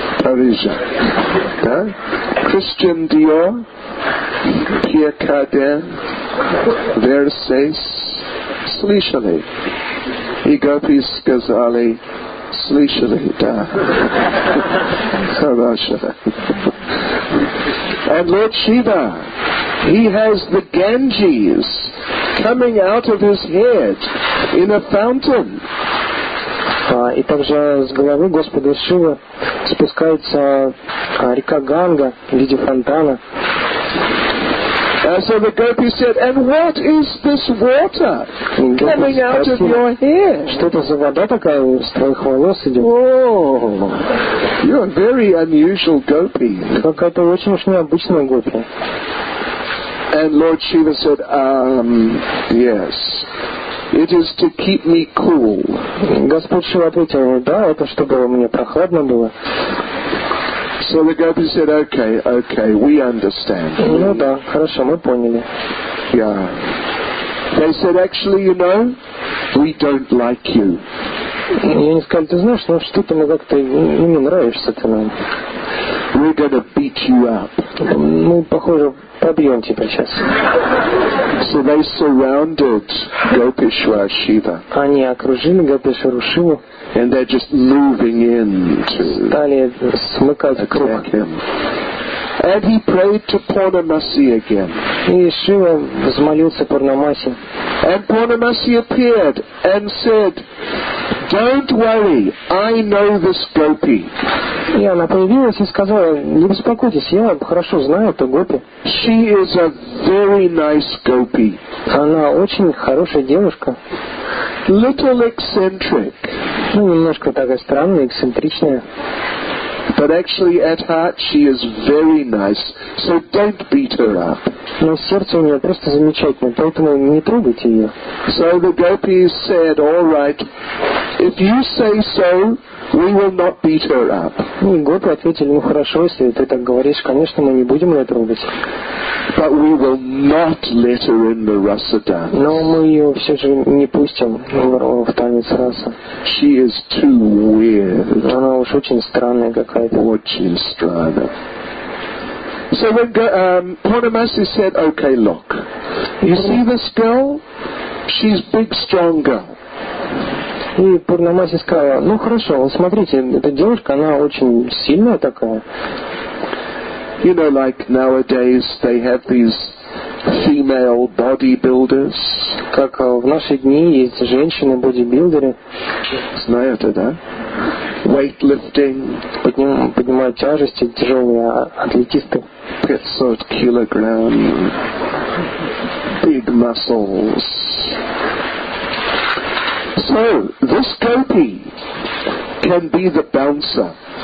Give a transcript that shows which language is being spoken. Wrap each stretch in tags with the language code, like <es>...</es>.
<ru>Парижа. Да? Christian Dior, Pierre Cardin, Versace, слышали? И гопи сказали, слышали, да. Хорошо.</ru> <en>And Lord Shiva, he has the Ganges coming out of his head in a fountain.</en> <ru>И также с головы Господа Шивы спускается река Ганга в виде фонтана.</ru> <en>So the gopi said, and what is this water coming out of your hair?</en> <ru>Что это за вода такая из твоих волос идет?</ru> <en>Oh, you are very unusual gopi.</en> <ru>Какая-то очень уж необычная гопи.</ru> <en>And Lord Shiva said, yes, it is to keep me cool.</en> <ru>Господь Шива ответил, да, это чтобы мне прохладно было.</ru> <en>So the gopi said, okay, okay, we understand.</en> <ru>Ну да, хорошо, мы поняли.</ru> <en>Yeah. They said, actually, you know, we don't like you.</en> <ru>И они сказали, ты знаешь, ну что-то мы как-то не нравишься ты нам.</ru> <en>We're gonna beat you up.</en> <ru>Мы, похоже, побьем тебя сейчас.</ru> <en>So they surrounded Gopeshwar Shiva.</en> <ru>Они окружили Гопешвару Шиву.</ru> <en>And they're just moving in to attack him. And he prayed to Purnamasi again.</en> <ru>И Шива взмолился Пурнамасе.</ru> <en>And Purnamasi appeared and said, "Don't worry, I know this gopi."</en> <ru>И она появилась и сказала: "Не беспокойтесь, я хорошо знаю эту гопи."</ru> <en>She is a very nice gopi.</en> <ru>Она очень хорошая девушка.</ru> <en>Little eccentric.</en> <ru>Ну, немножко такая странная, эксцентричная.</ru> <en>But actually, at heart, she is very nice. So don't beat her up.</en> <ru>Но сердце у нее просто замечательное, поэтому не трогайте ее.</ru> <en>So the gopi said, "All right, if you say so, we will not beat her up."</en> <ru>И гопи ответили: "Ну хорошо, если ты так говоришь, конечно, мы не будем ее трогать."</ru> <en>But we will not let her in the rasa dance.</en> <ru>Но мы ее все же не пустим в танец раса.</ru> <en>She is too weird.</en> <ru>Она уж очень странная какая-то. Очень странная.</ru> <en>So when Purnamasi said, "Okay, look, you see this girl? She's big, strong girl."</en> <ru>И Пурнамаси сказала: "Ну хорошо, смотрите, эта девушка, она очень сильная такая."</ru> <en>You know, like nowadays they have these female bodybuilders.</en> <ru>Как в наши дни есть женщины бодибилдеры. Знаю это, да? Weightlifting. Поднимают тяжести, тяжелые атлетисты. 500 килограмм.</ru> <en>Big muscles. So this gopi can be the bouncer.</en>